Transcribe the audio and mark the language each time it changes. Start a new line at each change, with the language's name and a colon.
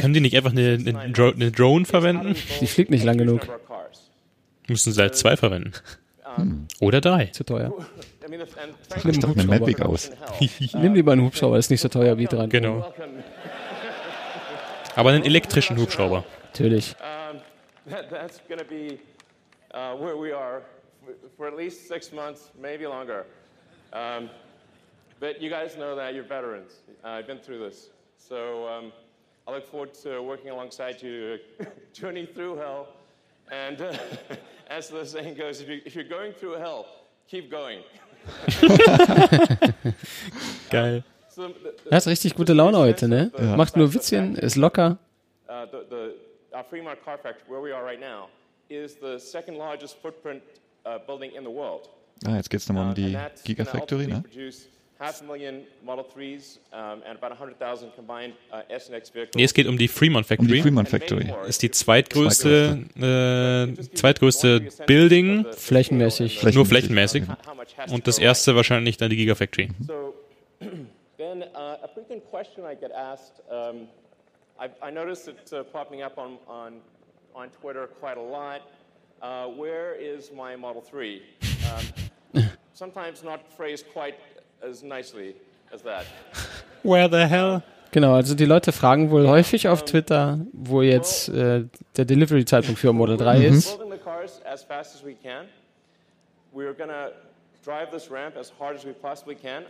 German: Können die nicht einfach eine Drone verwenden? Die fliegt nicht lang genug. Müssen sie halt zwei verwenden. Oder drei. Zu teuer. Ich nehme doch eine Mavic aus. Nimm lieber einen Hubschrauber, ist nicht so teuer wie dran. Genau. Aber einen elektrischen Hubschrauber. Natürlich.
English: That's going to be where we are for at least 6 months, maybe longer. But you guys know that you're veterans. I've been through this. So I look forward to working alongside you to journey through hell. And as the saying goes, if you're going through hell, keep going.
German: Geil. Du hast richtig gute Laune heute, ne? Ja. Macht nur Witzchen, ist locker.
English: Our Fremont Car Factory, where we are right now, is the second largest footprint building in the world.
German: Ah, jetzt geht's nochmal um die Gigafactory, ne?
English: Half a million Model 3s and about 100,000 combined S and X vehicles.
German: Nee, es geht um die Fremont Factory. Um die Fremont Factory. Ist die zweitgrößte Building. Flächenmäßig. Nur flächenmäßig. Ja. Und das erste wahrscheinlich dann die Gigafactory.
English: So, Ben, a frequent question I get asked, I noticed it popping up on Twitter quite a lot. Where is my Model 3? Sometimes not phrased quite as nicely as that. Where the hell?
German: Genau, also die Leute fragen wohl häufig auf Twitter, wo jetzt der Delivery-Zeitpunkt für Model 3 ist.
English: We're building the cars as fast as we can. We're going to drive this ramp as hard as we possibly can.